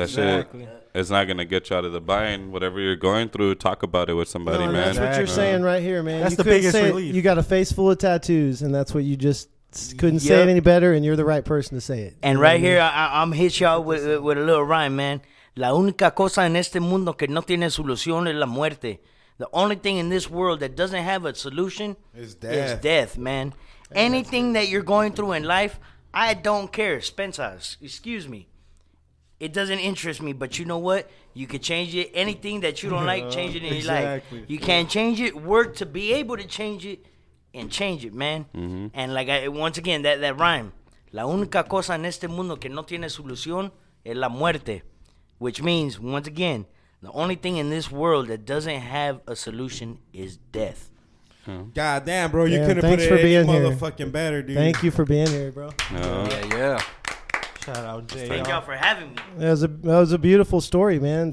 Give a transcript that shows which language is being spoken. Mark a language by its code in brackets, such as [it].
[en] Exactly. It's not going to get you out of the bind. Whatever you're going through, talk about it with somebody, no, man. That's what you're saying right here, man. That's you the biggest say relief. You got a face full of tattoos, and that's what you just... Couldn't say it any better, and you're the right person to say it. And right here, I'm hit y'all with a little rhyme, man. [es] La única cosa en este mundo que no tiene solución es la muerte. [en] The only thing in this world that doesn't have a solution is death, man. Anything that you're going through in life, I don't care. Spencer, excuse me. It doesn't interest me, but you know what? You can change it. Anything that you don't like, change it in exactly. your life. You can't change it. Work to be able to change it. And change it, man. Mm-hmm. And like, once again, that rhyme. [es] La única cosa en este mundo que no tiene solución es la muerte. [en] Which means, once again, the only thing in this world that doesn't have a solution is death. God damn, bro. You couldn't put it for being any motherfucking here. Better, dude. Thank you for being here, bro. Yeah. Shout out, Jay. Thank y'all for having me. That was a beautiful story, man.